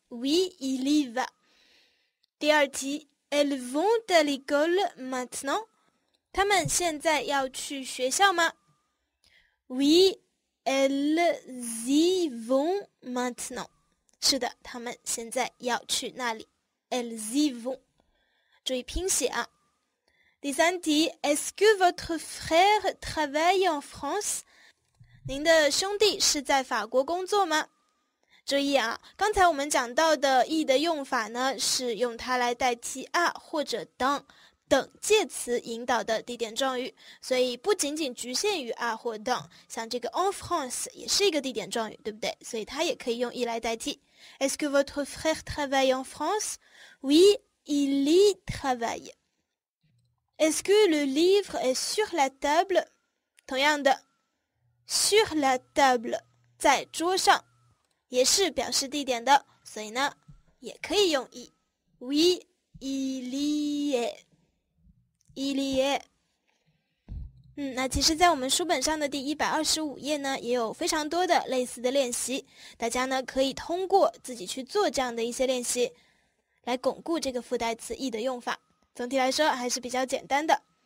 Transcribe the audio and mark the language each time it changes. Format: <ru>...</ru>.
<fr>oui, il y va。</fr> <zh>第二题，</zh> <fr>elles vont à l'école maintenant，</fr> <zh>他们现在要去学校吗？</zh> <fr>oui, elles y vont maintenant，</fr> <zh>是的，他们现在要去那里。</zh> <fr>elles y vont，</fr> <zh>注意拼写啊。 第三题，</zh> <fr>Est-ce que votre frère travaille en France？</fr> <zh>您的兄弟是在法国工作吗？注意啊，刚才我们讲到的 e 的用法呢，是用它来代替 are 或者 done 等介词引导的地点状语，所以不仅仅局限于 are 或 done， 像这个 en France 也是一个地点状语，对不对？所以它也可以用 e 来代替。</zh> <fr>Est-ce que votre frère travaille en France？ Oui, il y travaille。 Est-ce que le livre est sur la table？</fr> <zh>同样的</zh> <fr>sur la table，</fr> <zh>在桌上，也是表示地点的，所以呢也可以用 e。</zh> <fr>Oui, il y est， il y est。</fr> <zh>嗯，那其实在我们书本上的第125页呢也有非常多的类似的练习，大家呢可以通过自己去做这样的一些练习来巩固这个附带词 e 的用法，总体来说还是比较简单的。</zh>